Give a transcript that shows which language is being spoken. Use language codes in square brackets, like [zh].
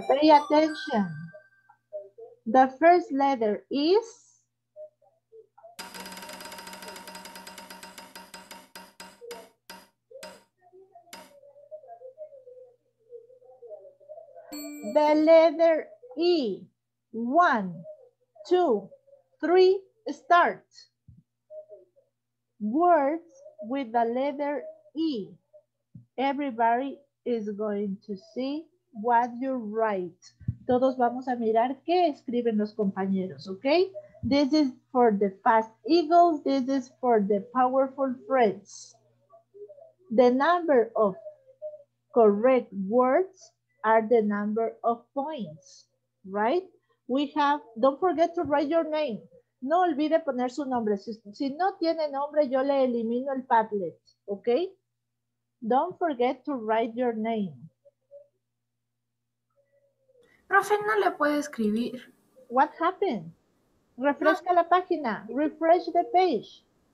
[en] Pay attention. The first letter is the letter E. One, two, three, start. Words with the letter E. Everybody is going to see what you write. [es] Todos vamos a mirar qué escriben los compañeros, ¿ok? [en] This is for the fast eagles. This is for the powerful friends. The number of correct words are the number of points, right? We have, don't forget to write your name. [es] No olvide poner su nombre. Si no tiene nombre, yo le elimino el Padlet, ¿ok? [en] Don't forget to write your name. [es] Profe, no le puede escribir. [en] What happened? [es] Refresca la página. [en] Refresh the page.